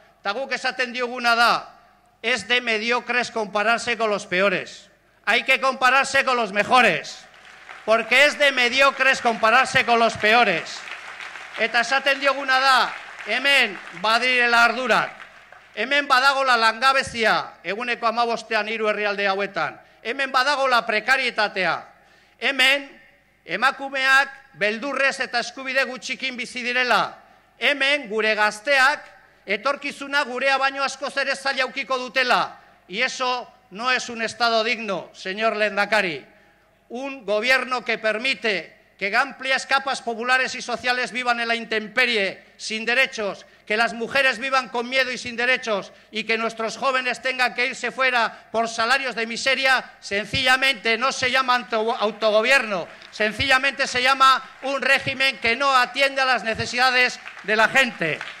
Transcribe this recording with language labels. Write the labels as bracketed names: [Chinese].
[Basque] Eta guk esaten dioguna da, [Spanish] ez de mediocres compararse con los peores. Hay que compararse con los mejores. Porque ez de mediocres compararse con los peores. [Basque] Eta esaten dioguna da, hemen badirela ardurak. Hemen badagola langabezia, eguneko 15ean hiru herrialde hauetan. Hemen badagola prekarietatea. Hemen, emakumeak beldurrez eta eskubide gutxikin bizi direla. Hemen, gure gazteak, etorkizuna gurea baino askoz ere zaila ukiko dutela. [Spanish] Y eso no es un estado digno, señor lehendakari. Un gobierno que permite que amplias capas populares y sociales vivan en la intemperie, sin derechos, que las mujeres vivan con miedo y sin derechos, y que nuestros jóvenes tengan que irse fuera por salarios de miseria, sencillamente no se llama autogobierno, sencillamente se llama un régimen que no atiende a las necesidades de la gente.